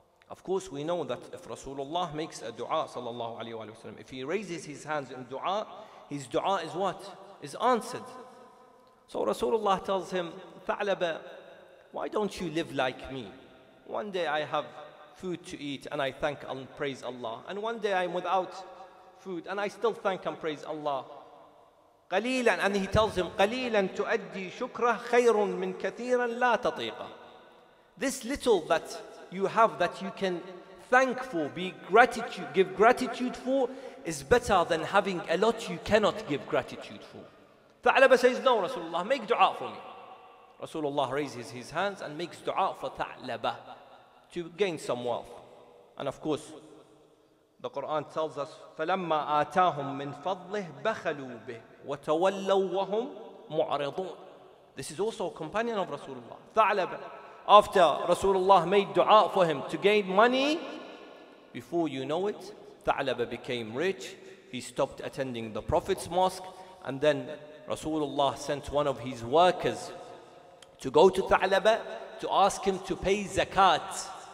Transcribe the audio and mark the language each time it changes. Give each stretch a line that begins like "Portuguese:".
English: Of course, we know that if Rasulullah makes a dua,
Arabic: sallallahu alayhi wa sallam,
English: if he raises his hands in dua, his dua is what? Is answered. So Rasulullah tells him, Tha'laba, why don't you live like me? One day I have food to eat and I thank and praise Allah. And one day I'm without food and I still thank and praise Allah.
Arabic: قليلاً,
English: and he tells him,
Arabic: قليلاً تؤدي شكره خير من كثيراً لا تطيقه.
English: This little that you have that you can thank for, be gratitude, give gratitude for, is better than having a lot you cannot give gratitude for. Tha'laba says, no, Rasulullah, make dua for me. Rasulullah raises his hands and makes dua for Tha'laba to gain some wealth. And of course, the Quran tells us,
Arabic: فَلَمَّا آتَاهُم مِّن فَضْلِهِ بَخَلُوا بِهِ وَتَوَلَّوا وَهُمْ مُعْرِضُونَ.
English: This is also a companion of Rasulullah, Tha'laba. After Rasulullah made dua for him to gain money, before you know it, Tha'laba became rich. He stopped attending the Prophet's mosque. And then Rasulullah sent one of his workers to go to Tha'laba to ask him to pay zakat.